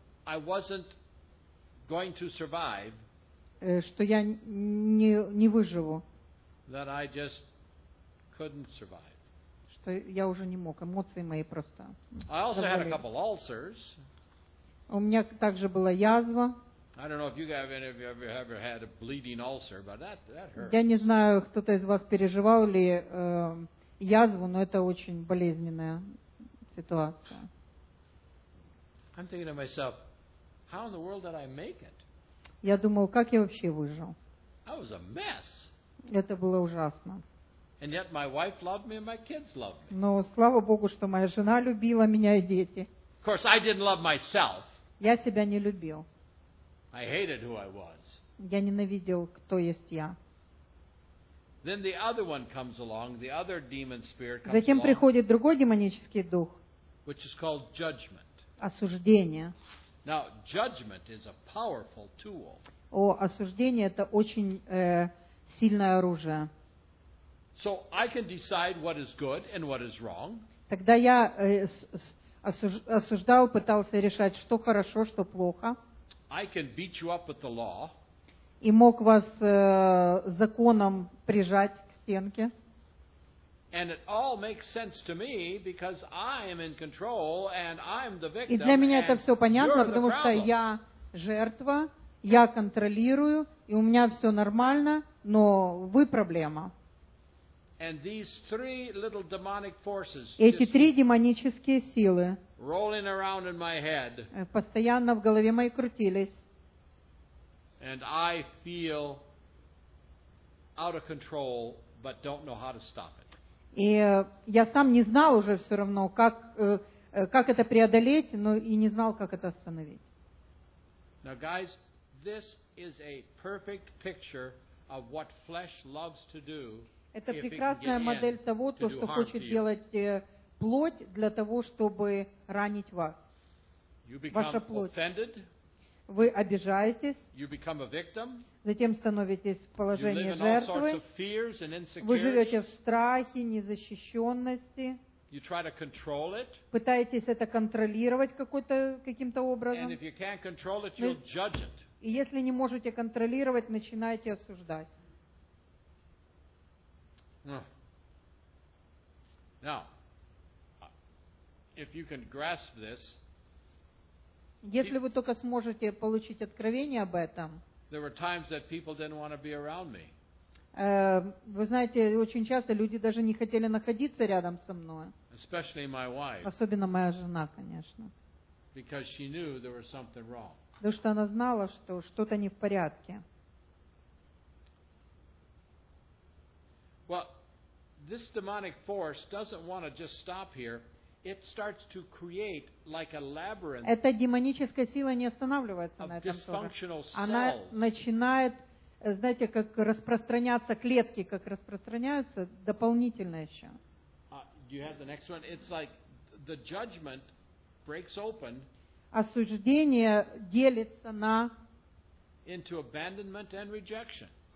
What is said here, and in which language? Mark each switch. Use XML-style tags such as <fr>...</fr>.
<en>I wasn't going to survive,</en> <ru>что я не выживу.</ru> <en>That I just couldn't survive.</en> <ru>Что я уже не мог, эмоции мои просто.</ru> <en>I also had a couple ulcers.</en> <ru>У меня также была язва.</ru> <en>I don't know if you have any of you ever had a bleeding ulcer, but that hurt.</en> <ru>Я не знаю, кто-то из вас переживал ли язву, но это очень болезненная ситуация.</ru> <en>I'm thinking to myself, how in the world did I make it?</en> <ru>Я думал, как я вообще выжил?</ru> <en>I was a mess.</en> <ru>Это было ужасно.</ru> <en>And yet my wife loved me and my kids loved me.</en> <ru>Но слава Богу, что моя жена любила меня и дети.</ru> <en>Of course, I didn't love myself.</en> <ru>Я себя не любил.</ru> <en>I hated who I was.</en> <ru>Я ненавидел, кто есть я.</ru> <en>Then the other one comes along, the other demon spirit comes</en> <ru>Затем</ru> <en>along.</en> <ru>Приходит другой демонический дух.</ru> <en>Which is called judgment.</en> <ru>Осуждение.</ru> <en>Now, judgment is a powerful tool.</en> <ru>О, осуждение — это очень сильное оружие.</ru> <en>So I can decide what is good and what is wrong.</en> <ru>Тогда я осуждал, пытался решать, что хорошо, что плохо.</ru> <en>I can beat you up with the law.</en> <ru>И мог вас законом прижать к стенке.</ru> <en>And it all makes sense to me because I am in control and I'm the victim.</en> <ru>И для меня это все понятно, потому что я жертва, я контролирую, и у меня все нормально, но вы проблема.</ru> <en>And these three little demonic forces.</en> <ru>Эти три демонические силы.</ru> <en>Rolling around in my head.</en> <ru>Постоянно в голове моей крутились.</ru> <en>And I feel out of control, but don't know how to stop it.</en> <ru>И я сам не знал уже все равно, как это преодолеть, но и не знал, как это остановить.</ru> <en>Now, guys, this is a perfect picture of what flesh loves to do.</en> <ru>Это прекрасная модель того, то, что хочет делать плоть для того, чтобы ранить вас.</ru> <en>You become</en> <ru>Ваша плоть.</ru> <en>Offended.</en> <ru>Вы обижаетесь,</ru> <en>you become a victim.</en> <ru>Затем становитесь в положении жертвы, вы живете в страхе, незащищенности,</ru> <en>you try to control it.</en> <ru>Пытаетесь это контролировать каким-то образом,</ru> <en>and if you can't control it, you'll judge it.</en> <ru>И если не можете контролировать, начинаете осуждать.</ru> <en>Now, if you can grasp this,</en> <ru>если вы только сможете получить откровение об этом,</ru> <en>there were times that people didn't want to be around me.</en> <ru>Вы знаете, очень часто люди даже не хотели находиться рядом со мной.</ru> <en>Especially my wife.</en> <ru>Особенно моя жена, конечно.</ru> <en>Because she knew there was something wrong.</en> <ru>Потому что она знала, что что-то не в порядке.</ru> <en>Well, this demonic force doesn't want to just stop here. It starts to create like a labyrinth.</en> <ru>Эта демоническая сила не останавливается на этом тоже. Она начинает, знаете, как распространяться клетки, как распространяются дополнительно еще.</ru> <en>You have the next one. It's like the judgment breaks open.</en> <ru>Осуждение делится на</ru> <en>into abandonment and rejection.</en>